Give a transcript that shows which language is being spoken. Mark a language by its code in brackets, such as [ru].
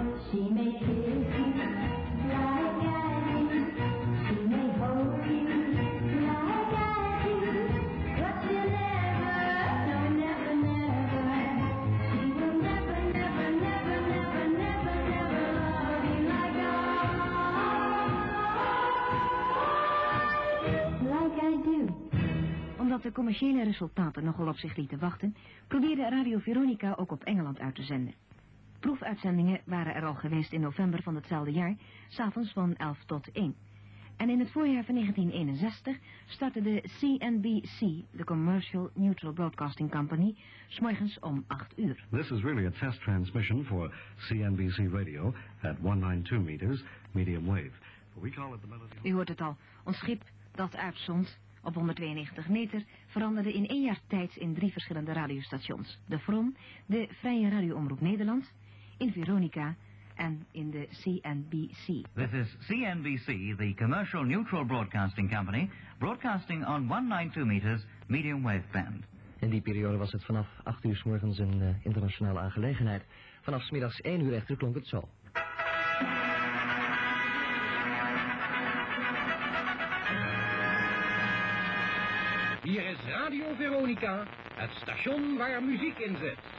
[en] she may kiss you like Addy, she may hold you like Addy, but you never, no, never, never, she will never, never, never, never, never, never love you like I, like I do. [nl] Omdat de commerciële resultaten nogal op zich lieten wachten, probeerde Radio Veronica ook op Engeland uit te zenden. Proefuitzendingen waren er al geweest in november van hetzelfde jaar, 's avonds van 11 tot 1. En in het voorjaar van 1961 startte de CNBC, de Commercial Neutral Broadcasting Company, 's morgens om 8 uur. [en] This is really a test transmission for CNBC Radio at 192 meters, medium wave. We call it the melody... [nl] U hoort het al, ons schip dat uitzond... Op 192 meter veranderde in één jaar tijd in drie verschillende radiostations. De VROM, de Vrije Radioomroep Nederland, in Veronica en in de CNBC. [en] This is CNBC, the Commercial Neutral Broadcasting Company, broadcasting on 192 meters, medium wave band. [nl] In die periode was het vanaf 8 uur 's morgens een internationale aangelegenheid. Vanaf 's middags 1 uur echter klonk het zo. Hier is Radio Veronica, het station waar muziek in zit.